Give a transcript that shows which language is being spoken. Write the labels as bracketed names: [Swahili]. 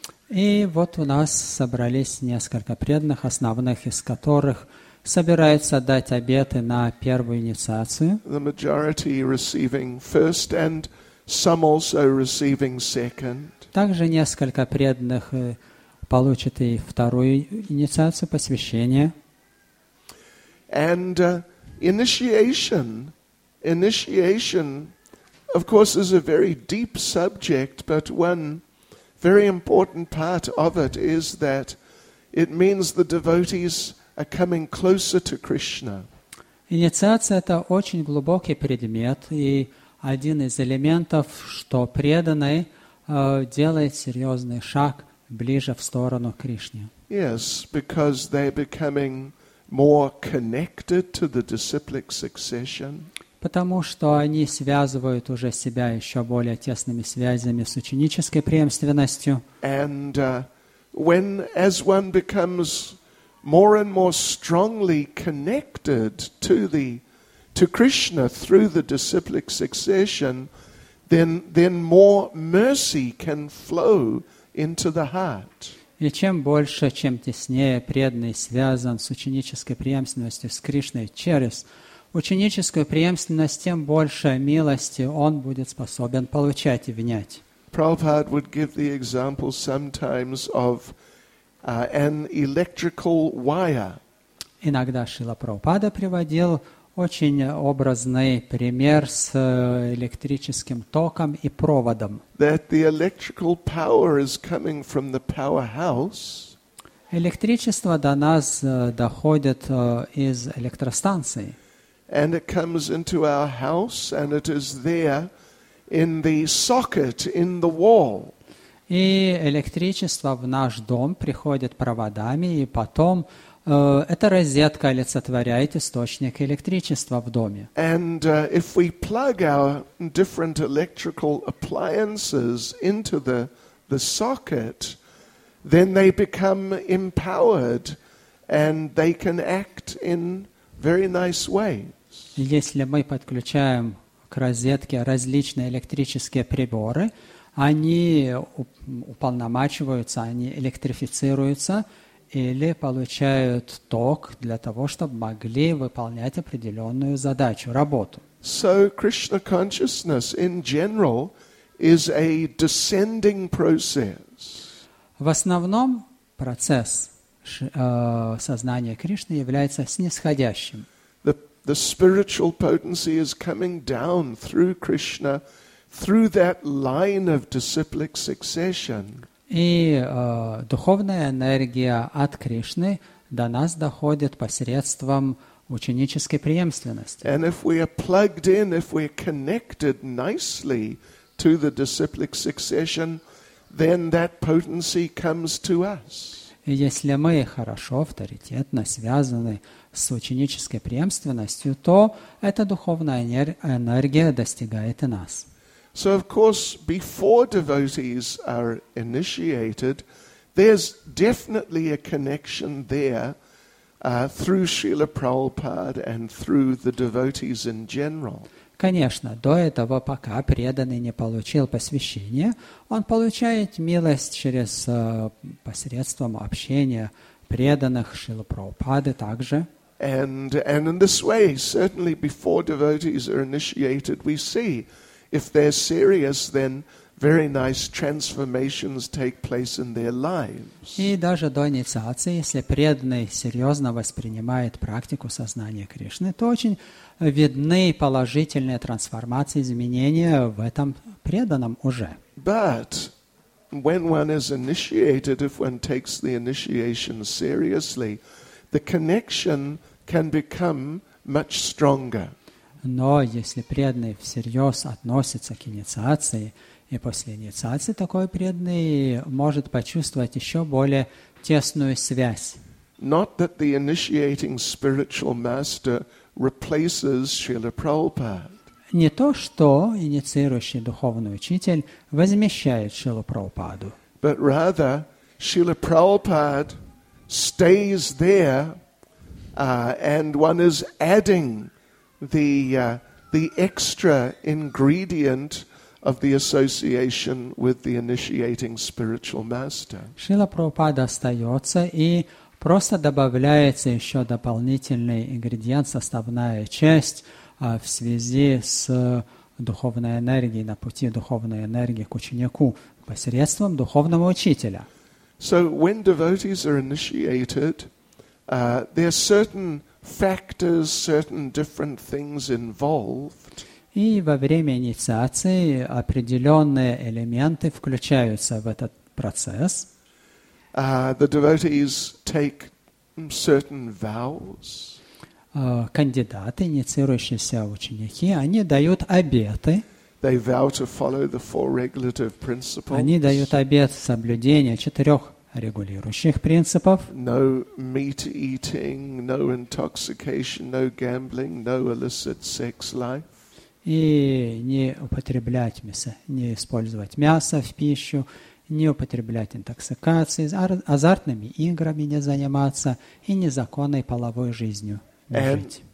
[Russian] И вот у нас собрались несколько преданных, основных из которых собираются дать обеты на первую инициацию. [English] The majority receiving first and some also receiving second. [Russian] Также несколько преданных получат и вторую инициацию, посвящение. [English] And initiation of course, is a very deep subject, but one very important part of it is that it means the devotees are coming closer to Krishna. [Russian] Инициация — это очень глубокий предмет, и один из элементов, что преданный делает серьезный шаг ближе в сторону Кришны. [English] Yes, because they're becoming more connected to the disciplic succession. [Russian] Потому что они связывают уже себя еще более тесными связями с ученической преемственностью. [English] And when, as one becomes more and more strongly connected to Krishna through the disciplic succession, then more mercy can flow into the heart. [Russian] И чем больше, чем теснее преданный связан с ученической преемственностью, с Кришной через ученическую преемственность, тем больше милости он будет способен получать и внять. [English] Prabhupada would give the example sometimes of an electrical wire. [Russian] Иногда Шрила Прабхупада приводил очень образный пример с электрическим током и проводом. [English] That the electrical power is coming from the powerhouse. [Russian] Электричество до нас доходит из электростанции. [English] And it comes into our house, and it is there in the socket in the wall. [Russian] И электричество в наш дом приходит проводами, и потом Это розетка олицетворяет источник электричества в доме. [English] And if we plug our different electrical appliances into the socket, then they become empowered and they can act in very nice ways. [Russian] Если мы подключаем к розетке различные электрические приборы, они уполномачиваются, они электрифицируются или получают ток для того, чтобы могли выполнять определенную задачу, работу. [English] So Krishna consciousness in general is a descending process. [Russian] В основном процесс сознания Кришны является снисходящим. [English] The spiritual potency is coming down through Krishna, through that line of disciplic succession. [Russian] И духовная энергия от Кришны до нас доходит посредством ученической преемственности. [English] And if we are plugged in, if we are connected nicely to the disciplic succession, then that potency comes to us. [Russian] И если мы хорошо, авторитетно связаны с ученической преемственностью, то эта духовная энергия достигает и нас. [English] So, of course, before devotees are initiated, there's definitely a connection there through Srila Prabhupada and through the devotees in general. [Russian] Конечно, до этого, пока преданный не получил посвящение, он получает милость через посредством общения преданных Шрилы Прабхупады также. [English] And in this way, certainly before devotees are initiated, we see if they're serious, then very nice transformations take place in their lives. [Russian] И даже до инициации, если преданный серьезно воспринимает практику сознания Кришны, то очень видны положительные трансформации, изменения в этом преданном уже. [English] But when one is initiated, if one takes the initiation seriously, the connection can become much stronger. [Russian] Но если преданный всерьез относится к инициации, и после инициации такой преданный может почувствовать еще более тесную связь. [English] Not that the initiating spiritual master replaces Srila Prabhupada. [Russian] Не то, что инициирующий духовный учитель возмещает Шрилу Прабхупаду. [English] But rather, Srila Prabhupada stays there, and one is adding the extra ingredient of the association with the initiating spiritual master. [Russian] Шрила Прабхупада остается и просто добавляется еще дополнительный ингредиент, составная часть в связи с духовной энергией, на пути духовной энергии к ученику посредством духовного учителя. [English] So when devotees are initiated, there are certain factors, certain different things involved. [Russian] И во время инициации определенные элементы включаются в этот процесс. [English] The devotees take certain vows. [Russian] Кандидаты, инициирующиеся ученики, они дают обеты. [English] They vow to follow the four regulative principles. [Russian] Они дают обет соблюдения четырех регулирующих принципов. [English] No meat eating, no intoxication, no gambling, no illicit sex life. [Russian] И не употреблять мясо, не использовать мясо в пищу, не употреблять интоксикации, азартными играми не заниматься и незаконной половой жизнью не жить.